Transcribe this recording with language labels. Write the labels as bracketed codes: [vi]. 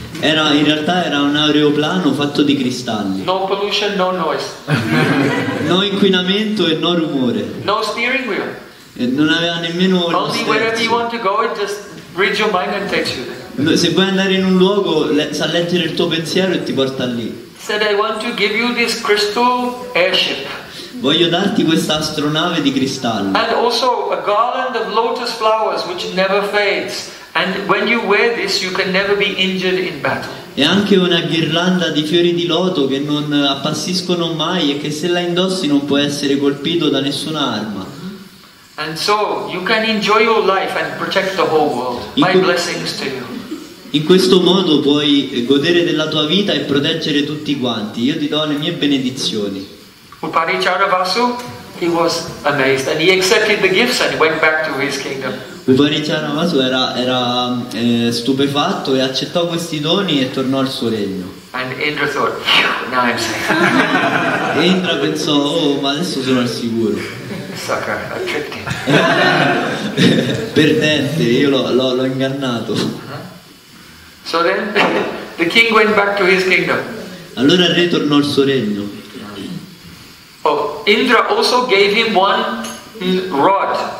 [it] Era, in realtà era un aeroplano fatto di cristalli. [en] No pollution, no noise. [it] No inquinamento e no rumore. [en] No steering wheel. [it] E non aveva nemmeno uno sterzo. [en] Only wherever you want to go, it just reads your mind and takes you there. [it] Se vuoi andare in un luogo, sa leggere il tuo pensiero e ti porta lì. [en] Said I want to give you this crystal airship. [it] Voglio darti questa astronave di cristallo. [en] And also a garland of lotus flowers which never fades. And when you wear this, you can never be injured in battle. [it] E anche una ghirlanda di fiori di loto che non appassiscono mai e che se la indossi non può essere colpito da nessuna arma. [en] And so you can enjoy your life and protect the whole world. My blessings to you. [it] In questo modo puoi godere della tua vita e proteggere tutti quanti. Io ti do le mie benedizioni. [en] Uparichara Vasu, he was amazed and he accepted the gifts and went back to his kingdom. [it] Uparichara Vasu era stupefatto e accettò questi doni e tornò al suo regno. [en] And Indra thought, now I'm safe. [it] Indra pensò, oh, ma adesso sono al sicuro. [en] Sucker, I tricked him. [it] Perdente, io l'ho ingannato. [en] So then the king went back to his kingdom. [it] Allora il re tornò al suo regno. [en] Oh, Indra also gave him one rod.